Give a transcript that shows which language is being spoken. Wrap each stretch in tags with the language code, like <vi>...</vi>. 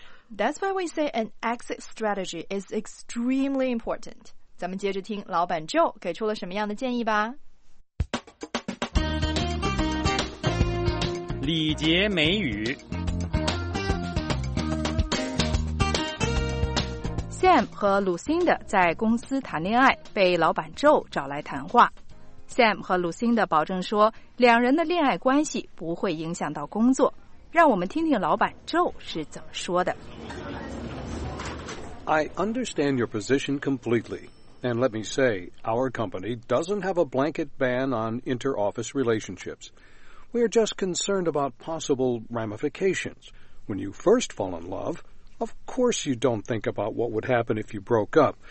<en>That's why we say an exit strategy is extremely important.</en> <zh>咱们接着听老板 Joe 给出了什么样的建议吧。礼节美语。 Sam 和 Lucinda 在公司谈恋爱，被老板 Joe 找来谈话。 Sam 和 Lucinda 保证说，两人的恋爱关系不会影响到工作。让我们听听老板 Joe 是怎么说的。</zh> <en>I understand your position completely. And let me say, our company doesn't have a blanket ban on inter-office relationships. We're just concerned about possible ramifications. When you first fall in love, of course you don't think about what would happen if you broke up.</en>